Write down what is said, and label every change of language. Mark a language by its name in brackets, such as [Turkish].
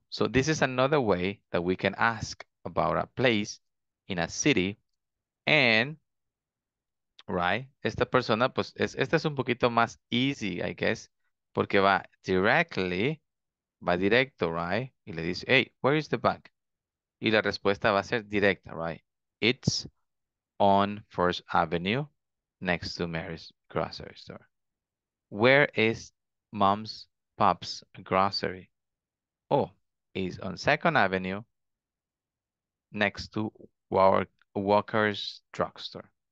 [English] So this is another way that we can ask about a place in a city. [Spanish] And, right, esta persona, pues, este es un poquito más easy, [English] I guess. [Spanish] Porque va directly, va directo, right? Y le dice, [English] hey, where is the bank? [Spanish] Y la respuesta va a ser directa, right? [English] It's on First Avenue next to Mary's Grocery Store. Where is Mom's Pop's Grocery? Oh, it's on Second Avenue next to Walker's Drugstore.